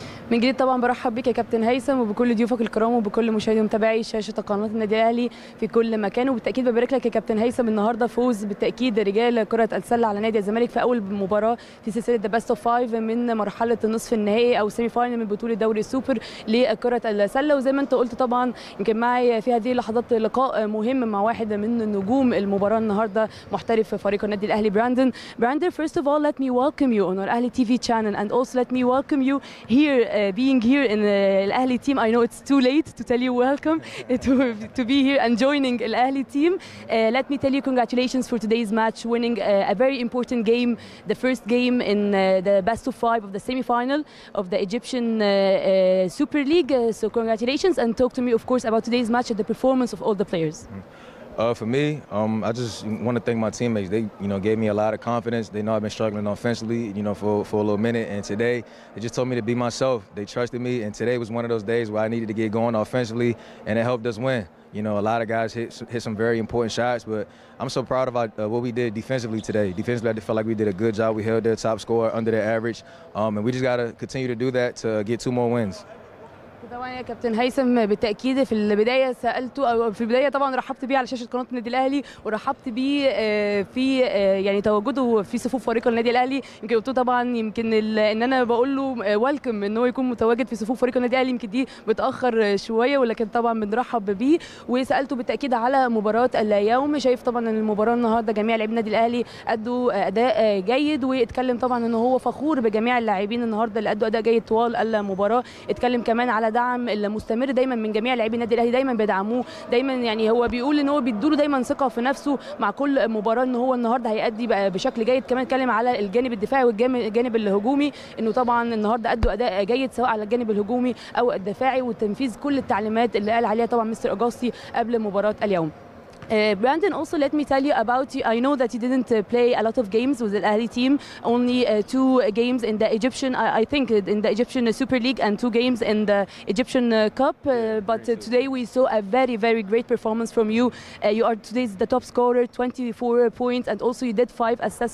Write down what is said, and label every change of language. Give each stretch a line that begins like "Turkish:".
Arabic: من جديد طبعا برحب بك يا كابتن هيثم وبكل ضيوفك الكرام وبكل مشاهدي ومتابعي شاشه قناه النادي الاهلي في كل مكان، وبالتاكيد ببارك لك يا كابتن هيثم النهارده فوز بالتاكيد رجال كره السله على نادي الزمالك في اول مباراه في سلسله
English: the best of 5
Arabic: من مرحله النصف النهائي او سيمي فاينل من بطوله دوري السوبر لكره السله. وزي ما انت قلت طبعا يمكن معي في هذه اللحظات لقاء مهم مع واحد من نجوم المباراه النهارده محترف فريق النادي الاهلي براندون.
English: Brandon first of all let me welcome you on our Ahli TV channel and also let me welcome you here being here in the Ahli team. I know it's too late to tell you welcome to be here and joining the Ahli team. Let me tell you congratulations for today's match, winning a very important game, the first game in the best of five of the semi-final of the Egyptian Super League. So congratulations, and talk to me of course about today's match and the performance of all the players. For me, I just want to thank my teammates. They, you know, gave me a lot of confidence. They know I've been struggling offensively, you know, for a little minute. And today, they just told me to be myself. They trusted me. And today was one of those days where I needed to get going offensively, and it helped us win. You know, a lot of guys hit some very important shots, but I'm so proud of what we did defensively today. Defensively, I felt like we did a good job. We held their top score under their average. And we just got to continue to do that to get two more wins.
Arabic: طبعا يا كابتن هيثم بالتاكيد في البدايه سالته او في البدايه طبعا رحبت بيه على شاشه قناه النادي الاهلي ورحبت بيه في يعني تواجده في صفوف فريق النادي الاهلي. يمكن قلت له طبعا يمكن ان انا بقول له ويلكم ان هو يكون متواجد في صفوف فريق النادي الاهلي، يمكن دي متاخر شويه ولكن طبعا بنرحب بيه. وسالته بالتاكيد على مباراه اليوم، شايف طبعا ان المباراه النهارده جميع لاعبي النادي الاهلي ادوا اداء جيد، واتكلم طبعا ان هو فخور بجميع اللاعبين النهارده اللي ادوا اداء جيد طوال المباراه. اتكلم كمان على دعم المستمر دايما من جميع لاعبي النادي الاهلي، دايما بيدعموه، دايما يعني هو بيقول ان هو بيدوله دايما ثقه في نفسه مع كل مباراه ان هو النهارده هيأدي بشكل جيد. كمان اتكلم على الجانب الدفاعي والجانب الهجومي انه طبعا النهارده ادوا اداء جيد سواء على الجانب الهجومي او الدفاعي، وتنفيذ كل التعليمات اللي قال عليها طبعا مستر اجاستي قبل مباراه اليوم.
English: Brandon, also let me tell you about you. I know that you didn't play a lot of games with the Ahli team, only two games in the Egyptian, I think, in the Egyptian Super League and two games in the Egyptian Cup. But today we saw a very, very great performance from you. You are today's the top scorer, 24 points, and also you did 5 assists.